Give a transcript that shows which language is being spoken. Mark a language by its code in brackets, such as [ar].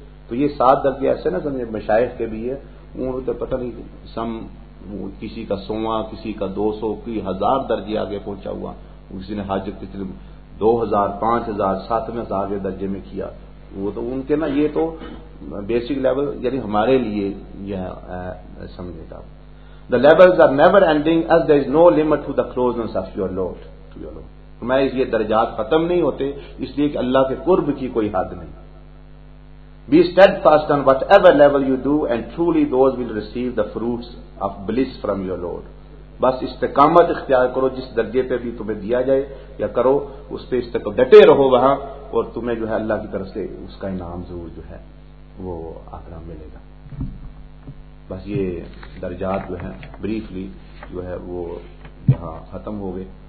[ur] تو یہ سات درجے ایسے نا سمجھے مشائخ کے بھی ہے, انہوں نے پتہ نہیں سم کسی کا سواں, کسی کا 200, کی ہزار درجے آگے پہنچا ہوا, کسی نے حاجت کتنے 2000, 5000, 7000 کے درجے میں کیا. وہ تو ان کے نا یہ تو بیسک لیول, یعنی ہمارے لیے یہ سمجھے گا. [en] The levels are never ending as there is no limit to the closeness of your Lord. [ur] فرمایا یہ درجات ختم نہیں ہوتے اس لیے کہ اللہ کے قرب کی کوئی حد نہیں. [en] Be steadfast on whatever level you do and truly those will receive the fruits of bliss from your Lord. [ur] بس استقامت اختیار کرو جس درجے پہ بھی تمہیں دیا جائے یا کرو اس پہ استقامت ڈٹے رہو وہاں اور تمہیں جو ہے اللہ کی طرف سے اس کا انعام ضرور جو ہے وہ آخر ملے گا. بس یہ درجات جو ہیں بریفلی جو ہے وہ یہاں ختم ہو گئے.